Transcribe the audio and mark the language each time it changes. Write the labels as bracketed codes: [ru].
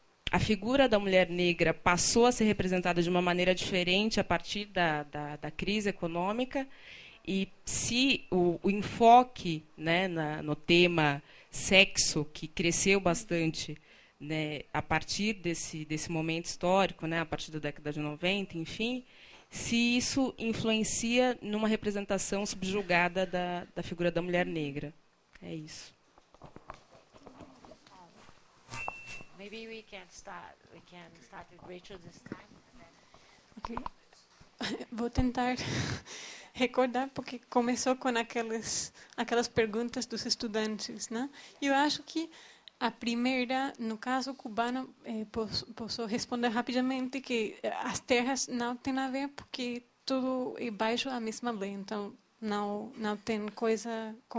[pt] a figura da mulher negra passou a ser representada de uma maneira diferente a partir da crise econômica, e se o enfoque, né, no tema sexo, que cresceu bastante, né, a partir desse momento histórico, né, a partir da década de 90, enfim, se isso influencia numa representação subjugada da figura da mulher negra. É isso. [en] Maybe we can start with Rachel this time. Okay. [pt] Vou tentar recordar, porque começou com aquelas perguntas dos estudantes, né? Eu acho que a primeira, no caso cubano, posso responder rapidamente que as terras não têm a ver, porque tudo é baixo a mesma lei. Então, não tem coisa